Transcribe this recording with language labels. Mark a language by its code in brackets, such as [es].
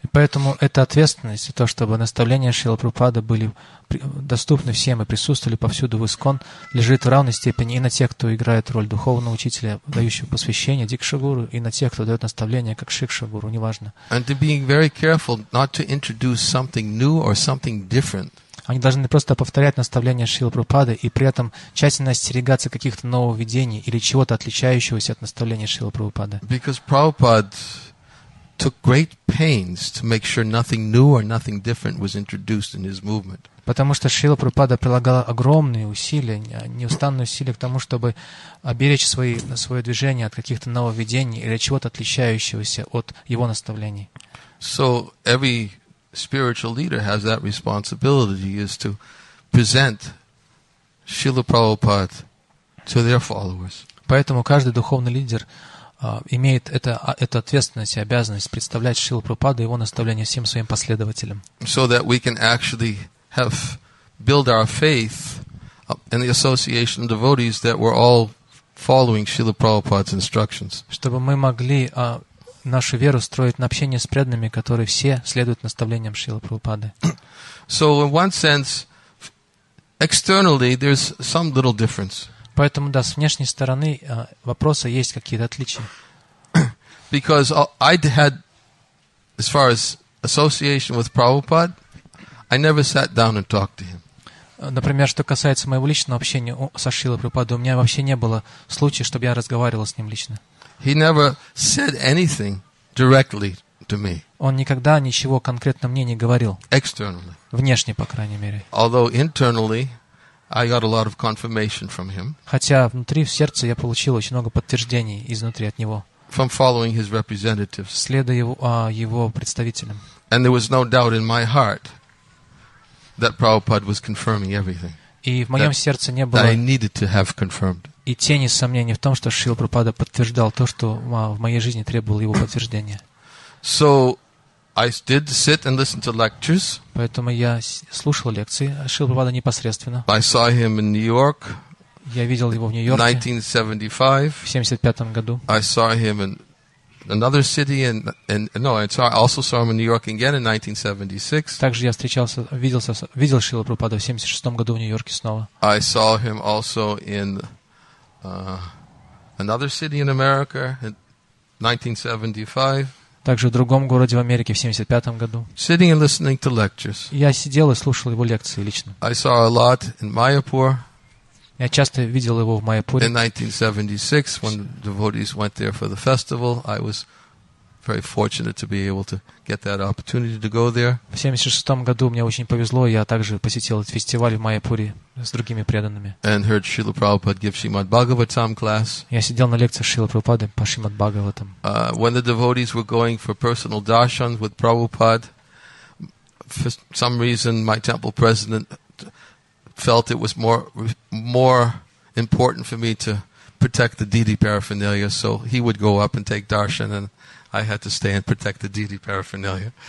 [ru] И поэтому это ответственность, то, чтобы наставления Шрилы Прабхупады были доступны всем и присутствовали повсюду в ИСКОН, лежит в равной степени и на тех, кто играет роль духовного учителя, дающего посвящение, дикшагуру, и на тех, кто дает наставления, как шикшагуру, неважно. [en] And to being very careful not to introduce something new or something different. [ru] Они должны просто повторять наставления Шрилы Прабхупады и при этом тщательно остерегаться каких-то нововведений или чего-то отличающегося от наставления Шрилы Прабхупады. [en] Because Prabhupada took great pains to make sure nothing new or nothing different was introduced in his movement. [ru] Потому что Шрила Прабхупада прилагала огромные усилия, неустанные усилия к тому, чтобы оберечь свое движение от каких-то нововведений или чего-то отличающегося от его наставлений. [en] So every spiritual leader has that responsibility is to present Srila Prabhupada to their followers. [ru] Поэтому каждый духовный лидер имеет эту ответственность и обязанность представлять Шрилу Прабхупаду и его наставления всем своим последователям. [en] So that we can actually have build our faith in the association of devotees that we're all following Srila Prabhupada's instructions. [ru] Чтобы мы могли нашу веру строить на общении с преданными, которые все следуют наставлениям Шрилы Прабхупады. [en] So in one sense, externally there's some little difference. [ru] Поэтому да, с внешней стороны вопроса есть какие-то отличия. [en] Because I had, as far as association with Prabhupada, I never sat down and talked to him. [ru] Например, что касается моего личного общения со Шрилой Прабхупадой, у меня вообще не было случая, чтобы я разговаривал с ним лично. [en] He never said anything directly to me. [ru] Он никогда ничего конкретно мне не говорил. [en] Externally. [ru] Внешне, по крайней мере. [en] Although internally, I got a lot of confirmation from him. [ru] Хотя внутри, в сердце, я получил очень много подтверждений изнутри от него. [en] From following his representatives. [ru] Следуя его представителям. [en] And there was no doubt in my heart that Prabhupada was confirming everything. [ru] И в моем сердце не было. [en] That I needed to have confirmed. [ru] И тени сомнений в том, что Шрила Прабхупада подтверждал то, что в моей жизни требовало его подтверждения. [en] So I did sit and listen to lectures. [ru] Поэтому я слушал лекции Шрилы Прабхупады непосредственно. [en] I saw him in New York. [ru] Я видел его в Нью-Йорке. [en] 1975. [ru] В 75 году. [en] I saw him in another city I also saw him in New York again in 1976. [ru] Также я видел Шрилу Прабхупаду в 76 году в Нью-Йорке снова. [en] I saw him also in another city in America in 1975. [ru] Также в другом городе в Америке в 75 году. [en] Sitting and listening to lectures. [ru] Я сидел и слушал его лекции лично. [en] I saw a lot in Mayapur. [ru] Я часто видел его в Майяпуре. [en] In 1976, when devotees went there for the festival, I was very fortunate to be able to get that opportunity to go there. [ru] В 76 году мне очень повезло, я также посетил этот фестиваль в Майяпуре с другими преданными. [en] And heard Srila Prabhupada give Srimad Bhagavatam class. [ru] Я сидел на лекции Шрилы Прабхупады по Шримад Бхагаватам. [en] When the devotees were going for personal darshan with Prabhupada, for some reason my temple president felt it was more important for me to protect the deity paraphernalia, so he would go up and take darshan, and I had to stay and protect the deity paraphernalia.